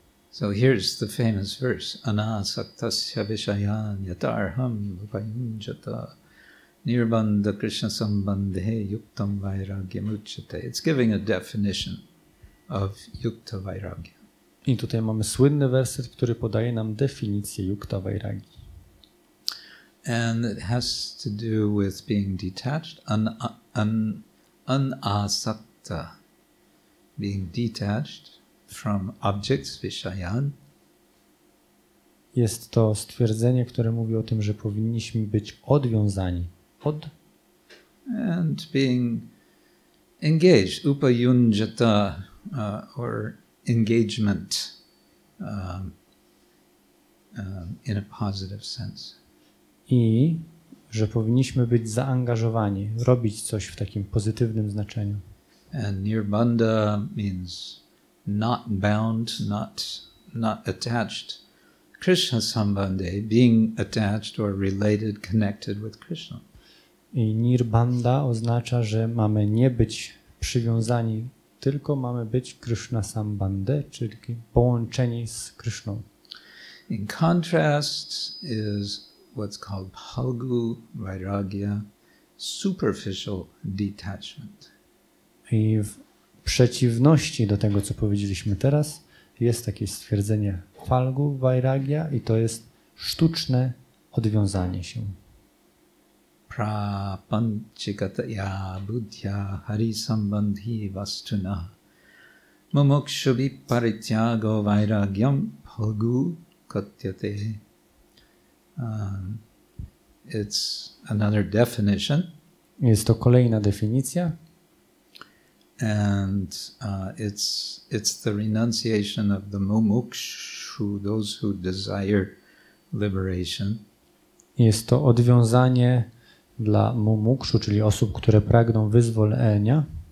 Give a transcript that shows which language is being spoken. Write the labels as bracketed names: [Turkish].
[English] So here's the famous verse, [Sanskrit] anasaktasya vishayan yataharam upayunjata nirbandha krishna sambandhe yuktam vairagyam uchyate. [English] It's giving a definition of yukta vairagya. [Polish] I tutaj mamy słynny werset, który podaje nam definicję yukta vairagya. [English] And it has to do with being detached, anasakta, being detached from objects vishayan. [Polish] Jest to stwierdzenie, które mówi o tym, że powinniśmy być odwiązani od [English] and being engaged upayunjata or engagement in a positive sense. [Polish] I że powinniśmy być zaangażowani, robić coś w takim pozytywnym znaczeniu. [English] And nirbandha means not bound, not attached. Krishna sambandhe, being attached or related, connected with Krishna. [Polish] I nirbandha oznacza, że mamy nie być przywiązani, tylko mamy być Krishna sambandhe, czyli połączeni z Krishną. [English] In contrast is what's called phalgu vairagya, superficial detachment. [Polish] I w przeciwności do tego, co powiedzieliśmy teraz, jest takie stwierdzenie phalgu vairagya i to jest sztuczne odwiązanie się. [Sanskrit] Prapanchikataya buddhya hari sambandhi vastuna mumukshubi parityago vairagyam phalgu katyate. [English] It's another definition. [Polish] Jest to kolejna definicja. [English] And it's the renunciation of the mumukshu, those who desire liberation. [Polish] Jest to odwiązanie dla mumukshu, czyli osób, które pragną wyzwolenia.